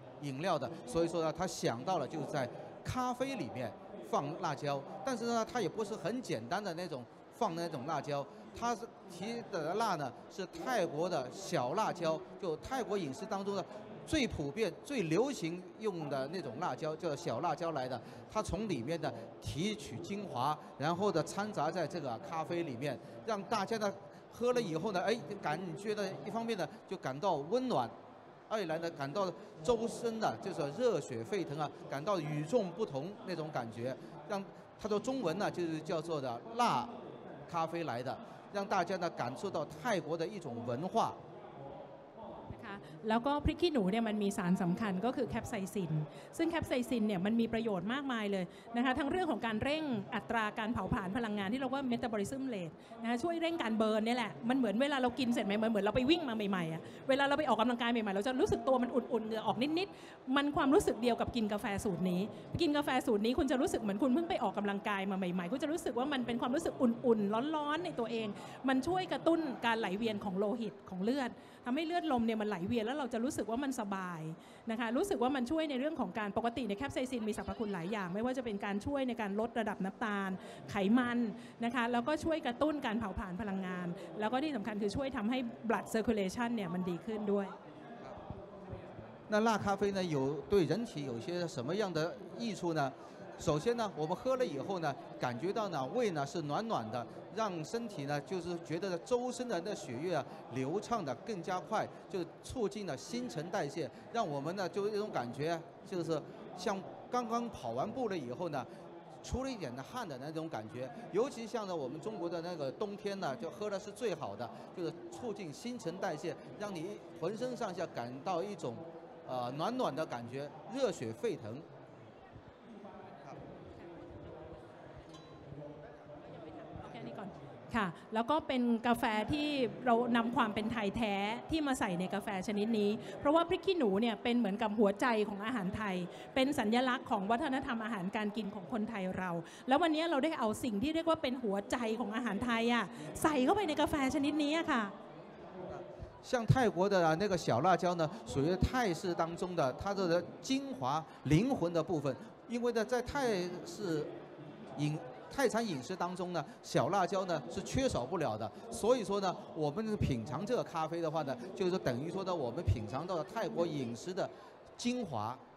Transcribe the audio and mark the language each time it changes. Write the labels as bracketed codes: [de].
[zh] 饮料的所以说呢他想到了就在咖啡里面放辣椒但是呢他也不是很简单的那种放那种辣椒他提的辣呢是泰国的小辣椒就泰国饮食当中的最普遍最流行用的那种辣椒叫小辣椒来的它从里面的提取精华然后的掺杂在这个咖啡里面让大家呢喝了以后呢哎感觉的一方面呢就感到温暖二来呢感到周身的就是热血沸腾啊感到与众不同那种感觉让它的中文呢就是叫做的辣咖啡来的让大家呢感受到泰国的一种文化 [th] แล้วก็พริกขี้หนูเนี่ยมันมีสารสำคัญก็คือแคปไซซินซึ่งแคปไซซินเนี่ยมันมีประโยชน์มากมายเลยนะคะทั้งเรื่องของการเร่งอัตราการเผาผลาญพลังงานที่เราว่าเมตาบอลิซึมเรทนะช่วยเร่งการเบิร์นนี่แหละมันเหมือนเวลาเรากินเสร็จใหม่เหมือนเราไปวิ่งมาใหม่ๆอ่ะเวลาเราไปออกกำลังกายใหม่ๆเราจะรู้สึกตัวมันอุ่นๆเหงื่อออกนิดๆมันความรู้สึกเดียวกับกินกาแฟสูตรนี้ กินกาแฟสูตรนี้คุณจะรู้สึกเหมือนคุณเพิ่งไปออกกำลังกายมาใหม่ๆคุณจะรู้สึกว่ามันเป็นความรู้สึกอุ่นๆร้อนๆในตัวเองมันช่วยกระตุ้นการไหลเวียนของโลหิตของเลือดทำให้เลือดลมเนี่ยมันไหลเวียนแล้วเราจะรู้สึกว่ามันสบาย นะคะรู้สึกว่ามันช่วยในเรื่องของการปกติในแคปไซซินมีสรรพคุณหลายอย่างไม่ว่าจะเป็นการช่วยในการลดระดับน้ำตาลไขมันนะคะแล้วก็ช่วยกระตุ้นการเผาผลาญพลังงานแล้วก็ที่สำคัญคือช่วยทำให้ blood circulation เนี่ยมันดีขึ้นด้วย [zh] 那辣咖啡呢有对人体有些什么样的益处呢首先呢我们喝了以后呢感觉到呢胃呢是暖暖的让身体呢就是觉得周身的那血液啊流畅的更加快就促进了新陈代谢让我们呢就一种感觉就是像刚刚跑完步了以后呢出了一点的汗的那种感觉尤其像呢我们中国的那个冬天呢就喝的是最好的就是促进新陈代谢让你浑身上下感到一种暖暖的感觉热血沸腾 [th] ค่ะแล้วก็เป็นกาแฟที่เรานำความเป็นไทยแท้ที่มาใส่ในกาแฟชนิดนี้เพราะว่าพริกขี้หนูเนี่ยเป็นเหมือนกับหัวใจของอาหารไทยเป็นสัญลักษณ์ของวัฒนธรรมอาหารการกินของคนไทยเราแล้ววันนี้เราได้เอาสิ่งที่เรียกว่าเป็นหัวใจของอาหารไทยอ่ะใส่เข้าไปในกาแฟชนิดนี้ค่ะ [zh] 像泰国的那个小辣椒呢属于泰式当中的它的精华灵魂的部分因为呢在泰式泰餐饮食当中呢小辣椒呢是缺少不了的所以说呢我们品尝这个咖啡的话呢就是等于说呢我们品尝到了泰国饮食的精华